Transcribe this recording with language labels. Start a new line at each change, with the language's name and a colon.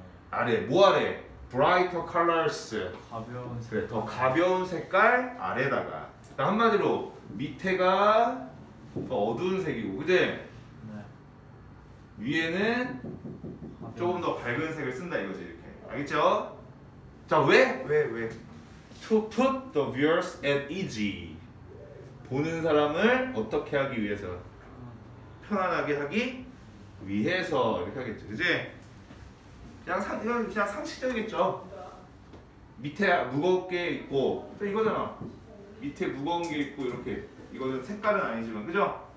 Korean: 아래. 뭐 아래?
English: brighter colors.
Korean: 가벼운 색. 그래, 더 가벼운 색깔 아래다가. 그러니까 한마디로 밑에가 더 어두운 색이고, 그치? 네. 위에는 조금 더 밝은 색을 쓴다 이거지, 이렇게. 알겠죠? 자, 왜? 왜?
English: To put the viewers at ease.
Korean: 보는 사람을 어떻게 하기 위해서? 편안하게 하기 위해서 이렇게 하겠죠, 그치? 그냥 이건 그냥 상식적이겠죠. 밑에 무겁게 있고 이거잖아. 밑에 무거운 게 있고 이렇게. 이거는 색깔은 아니지만, 그죠?